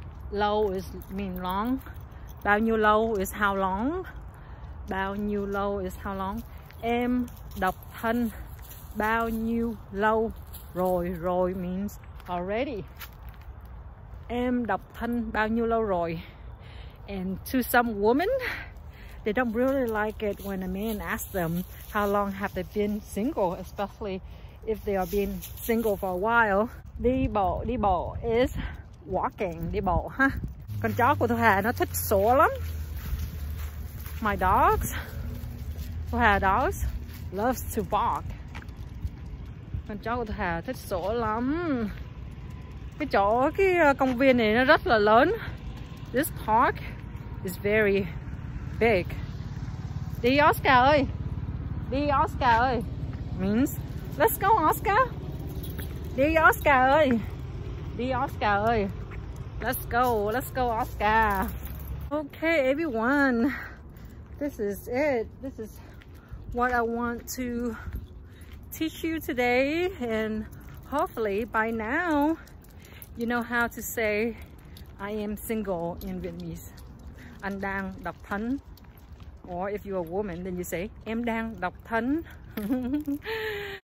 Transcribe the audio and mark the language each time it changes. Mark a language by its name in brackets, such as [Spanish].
[Vietnamese] Lâu [English] is mean long. [Vietnamese] Bao nhiêu lâu [English] is how long? [Vietnamese] Bao nhiêu lâu [English] is how long? [Vietnamese] Em độc thân bao nhiêu lâu rồi? Rồi [English] means already. [Vietnamese] Em độc thân bao nhiêu lâu rồi? [English] And to some women, they don't really like it when a man asks them how long have they been single, especially if they are being single for a while. [Vietnamese] Đi bộ [English] is walking, [Vietnamese] đi bộ ha. Huh? Con chó của Thu Hà nó thích sổ lắm. [English] My dogs, Thu Hà dogs, loves to bark. [Vietnamese] Con chó của Thu Hà thích sổ lắm. Cái chỗ, cái công viên này nó rất là lớn. [English] This park is very big. [Vietnamese] Đi Oscar ơi, đi Oscar ơi. [English] Means, let's go Oscar. [Vietnamese] Đi Oscar ơi, đi Oscar ơi. [English] Let's go Oscar. Okay everyone. This is it. This is what I want to teach you today. And hopefully by now, you know how to say I am single in Vietnamese. [Vietnamese] Anh đang độc thân. [English] Or if you're a woman, then you say [Vietnamese] em đang độc thân.